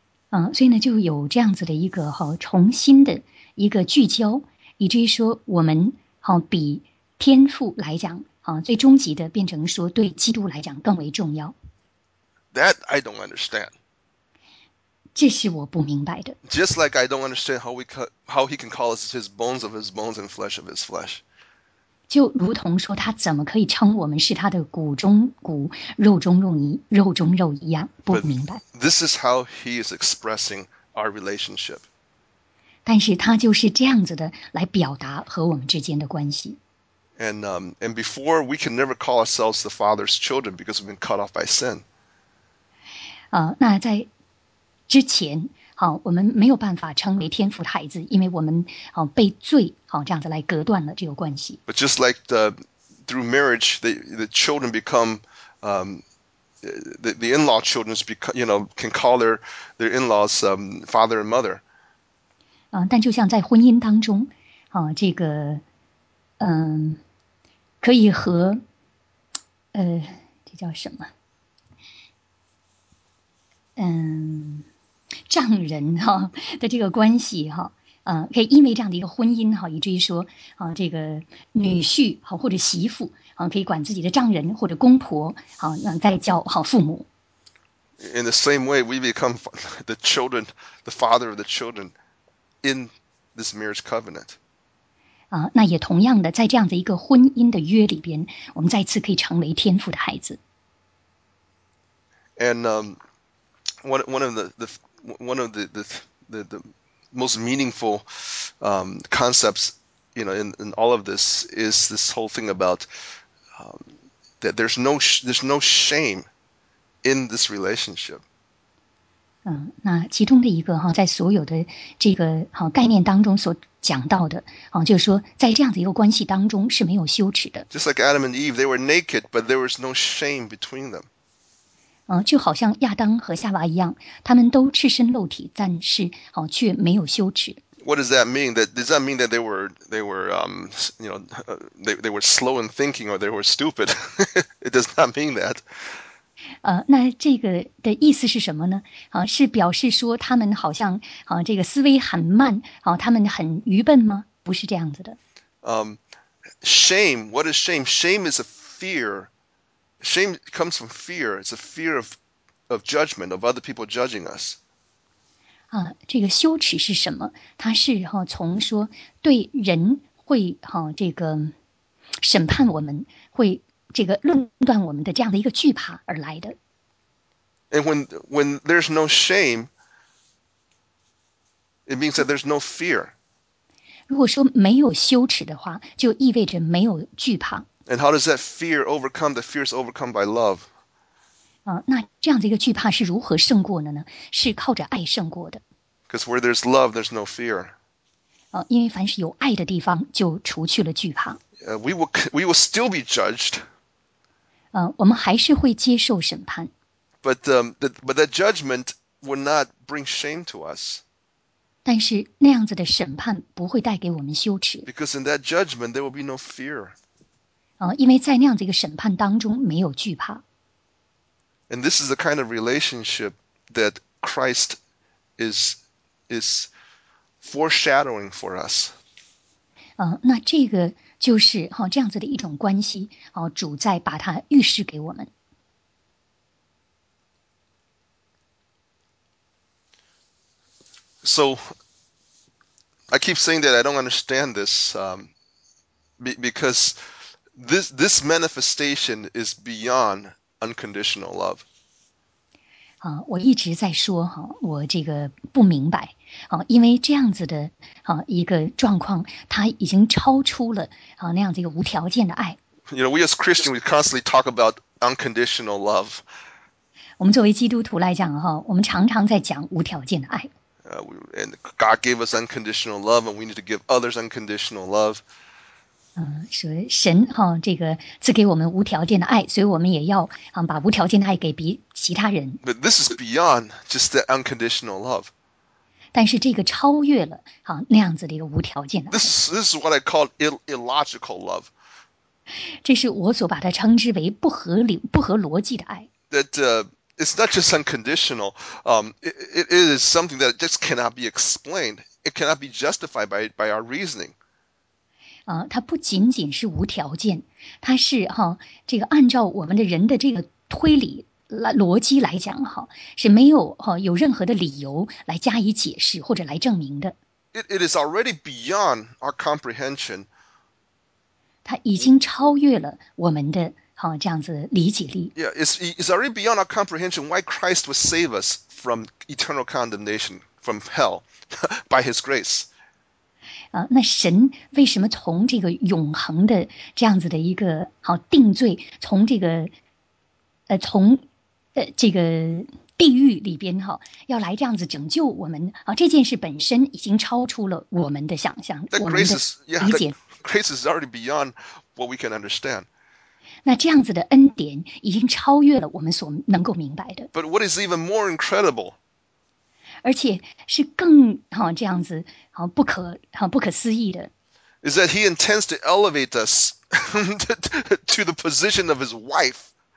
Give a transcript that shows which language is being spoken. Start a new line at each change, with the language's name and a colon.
Chinese: 所以呢，就有这样子的一个重新的一个聚焦，以至于说我们比天父来讲最终极的变成说对基督来讲更为重要。
English: That I don't understand.
Chinese: 这是我不明白的。
English: Just like I don't understand how he can call us his bones of his bones and flesh of his flesh.
Chinese: 就如同说他怎么可以称我们是他的骨中骨肉中肉泥肉中肉一样不明白。
English: But、this is how he is expressing our relationship.
Chinese: 但是他就是这样子的来表达和我们之间的关系。
English: And before we can never call ourselves the father's children because we've been cut off by sin.
Chinese: 那在之前我们没有办法称为天父的孩子，因为我们被罪这样子来隔断了这个关系。
English: But just like through marriage, the children become the in-law children become, you know, can call their in-laws father and mother.
Chinese: 但就像在婚姻当中，这个可以和这叫什么？丈人的这个关系可以因为这样的一个婚姻以至于说这个女婿或者媳妇可以管自己的丈人或者公婆再叫父母。
English: In the same way, we become the children, the father of the children in this marriage covenant.
Chinese: 那也同样的，在这样的一个婚姻的约里边，我们再次可以成为天父的孩子。
English: And one of the most meaningful concepts, you know, in all of this is this whole thing about that there's no shame in this relationship.
Chinese: 那其中的一个哈，在所有的这个好概念当中所讲到的，好就是说，在这样的一个关系当中是没有羞耻的。
English: Just like Adam and Eve, they were naked, but there was no shame between them.
Chinese: 就好像亚当和夏娃一样，他们都赤身露体，但是好却没有羞耻。
English: What does that mean? Does that mean that they were slow in thinking or they were stupid? It does not mean that.
Chinese: 那这个的意思是什么呢？是表示说他们好像这个思维很慢，他们很愚笨吗？不是这样子的。
English: Shame, what is shame? Shame is a fear. Shame comes from fear. It's a fear of judgment, of other people judging us.
Chinese: 这个羞耻是什么？它是从说对人会这个审判我们，会这个论断我们的这样的一个惧怕而来的。
English: And when there's no shame, it means that there's no fear.
Chinese: 如果说没有羞耻的话，就意味着没有惧怕。
English: And how does that fear overcome? The fear is overcome by love.
Chinese: 那这样的一个惧怕是如何胜过的呢？是靠着爱胜过的。
English: Because where there's love, there's no fear.
Chinese: 因为凡是有爱的地方，就除去了惧怕。
English: We will still be judged.
Chinese: 我们还是会接受审判。
English: But that judgment will not bring shame to us.
Chinese: 但是那样子的审判不会带给我们羞耻。
English: Because in that judgment there will be no fear.
Chinese: 因为在那样子一个审判当中没有惧怕。
English: And this is the kind of relationship that Christ is foreshadowing for us.
Chinese: 那这个就是这样子的一种关系，主在把它预示给我们。
English: So, I keep saying that I don't understand this, because this manifestation is beyond unconditional love.
Chinese: 我一直在说我这个不明白。因为这样子的一个状况，它已经超出了那样子一个无条件的爱。
English: You know, we as Christians, we constantly talk about unconditional love.
Chinese: 我们作为基督徒来讲我们常常在讲无条件的爱。
English: And God gave us unconditional love, and we need to give others unconditional love.
Chinese: 所以神这个赐给我们无条件的爱，所以我们也要把无条件的爱给其他人。
English: But this is beyond just the unconditional love.
Chinese: 但是这个超越了那样子的一个无条件的爱。
English: This is what I call illogical love.
Chinese: 这是我所把它称之为不合理、不合逻辑的爱。
English: That it's not just unconditional. It is something that just cannot be explained. It cannot be justified by our reasoning.
Chinese: 它不仅仅是无条件，它是这个按照我们的人的这个推理。逻辑来讲是没有有任何的理由来加以解释或者来证明的。
English: It is already beyond our comprehension.
Chinese: 它已经超越了我们的这样子理解力。
English: Yeah, it's already beyond our comprehension why Christ would save us from eternal condemnation, from hell, by his grace.
Chinese: 那神为什么从这个永恒的这样子的一个定罪，从这个从这个地狱里边要来这样子拯救我们这件事本身已经超出了我们的想象，我们的理解。
English: Yeah, grace is already beyond what we can understand.
Chinese: 那这样子的恩典已经超越了我们所能够明白的。
English: But what is even more incredible?
Chinese: 而且是更这样子不可思议的。
English: Is that he intends to elevate us to the position of his wife.